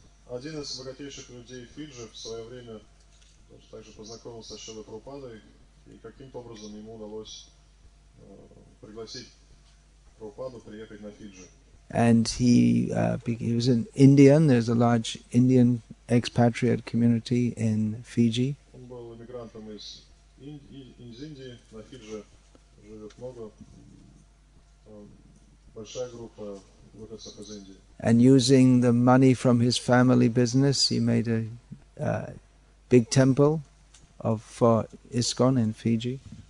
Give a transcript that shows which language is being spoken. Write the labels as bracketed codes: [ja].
[ru] Один из богатейших людей Фиджи в свое время также познакомился с Шрилой Прабхупадой, и каким-то образом ему удалось пригласить Прабхупаду приехать на Фиджи. [en] And he was an Indian. There's a large Indian expatriate community in Fiji. [ru] Он был иммигрантом из Индии. На Фиджи живет много. Большая группа выходцев из Индии. [en] And using the money from his family business, he made a big temple for ISKCON in Fiji.